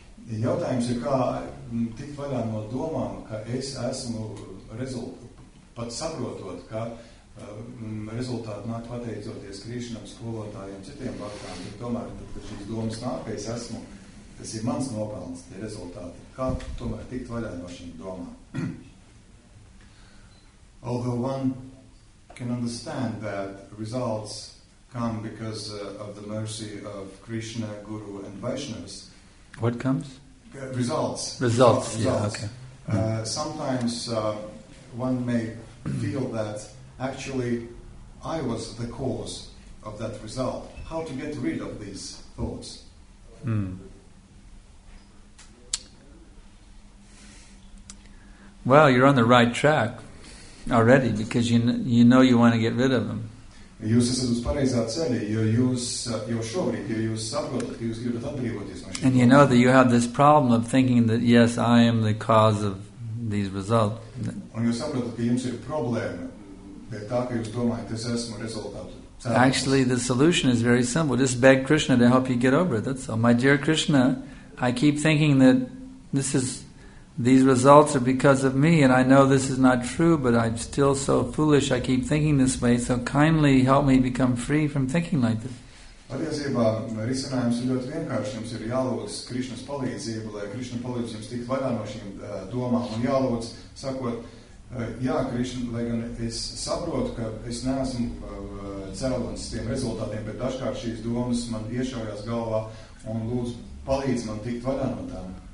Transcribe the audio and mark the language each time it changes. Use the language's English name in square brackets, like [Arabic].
[Latvian] Jautājums ir, kā tikt vaļā no domām, ka es esmu pat saprotot, ka rezultāti nāk pateicoties Krišnam, skolotājiem, citiem vārtām, bet tomēr, kad šīs domas nāk, ka es esmu, tas ir mans nopelns, tie rezultāti. Kā tomēr tikt vaļā no šīm domām? [English] Although one can understand that results come because of the mercy of Krishna, Guru and Vaishnavas. What comes? Results. Results. Results. Yeah, okay. Sometimes one may feel that actually I was the cause of that result. How to get rid of these thoughts? Well, you're on the right track already because you know you want to get rid of them. [Latvian] Jūs esat uz pareizā ceļa, jo jūs jau šobrīd, jo jūs saprotat, ka jūs gribat atbrīvoties no šī. [English] And you know that you have this problem of thinking that yes, I am the cause of these results. [Latvian] Un jūs saprotat, ka jums ir problēma, bet tā, ka jūs domājat, es esmu rezultātu. [English] Actually, the solution is very simple. Just beg Krishna to help you get over it. That's all. My dear Krishna, I keep thinking that these results are because of me, and I know this is not true, but I'm still so foolish, I keep thinking this way, so kindly help me become free from thinking like this. [Latvian] Patiesībā, risinājums ir ļoti vienkārši, jums ir jālūdz Krišnas palīdzību, lai Krišna palīdz jums tikt vaļā no šīm domām, un jālūdz, sakot, jā, Krišna, lai gan es saprotu, ka es neesmu cēlons tiem rezultātiem, bet dažkārt šīs domas man iešaujās galvā, un lūdz palīdz man tikt vaļā no tām.